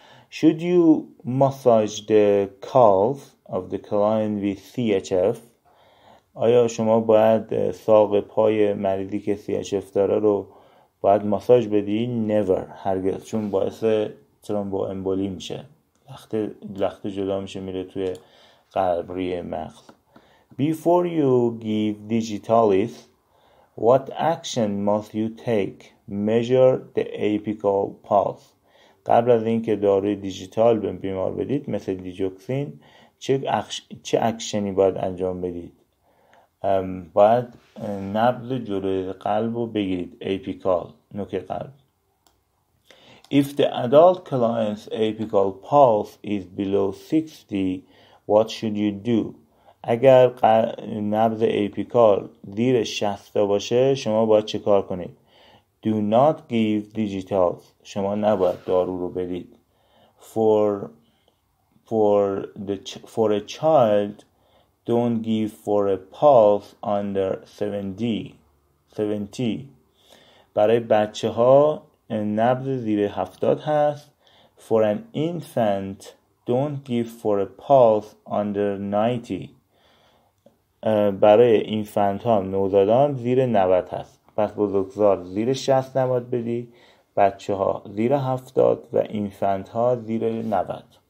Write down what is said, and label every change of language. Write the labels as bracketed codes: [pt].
[en] Should you massage the calf of the client with CHF؟ [fa] آیا شما باید ساق پای مریضی که CHF داره رو باید ماساژ بدی؟ [en] Never، [fa] هرگز، چون باعث ترومبو امبولی میشه، لخته جدا میشه میره توی قلب ریه مغز. [en] Before you give digitalis what action must you take? Measure the apical pulse. [fa] قبل از اینکه داروی دیجیتال به بیمار بدید مثل دیجوکسین چه اکشنی باید انجام بدید؟ باید نبض جلوی قلب رو بگیرید، apical، نوک قلب. [en] If the adult client's apical pulse is below 60 what should you do؟ [fa] اگر نبض اپیکال زیر 60 باشه شما باید چه کار کنید؟ [en] Do not give digitals، [fa] شما نباید دارو رو بدید. [en] For a child don't give for a pulse under 70. [fa] برای بچه ها نبض زیر 70 هست. [en] For an infant don't give for a pulse under 90. [fa] برای اینفنت ها، نوزادان زیر 90 هست. پس بزرگزار زیر 60 نباید بدی، بچه ها زیر 70 و اینفنت ها زیر 90.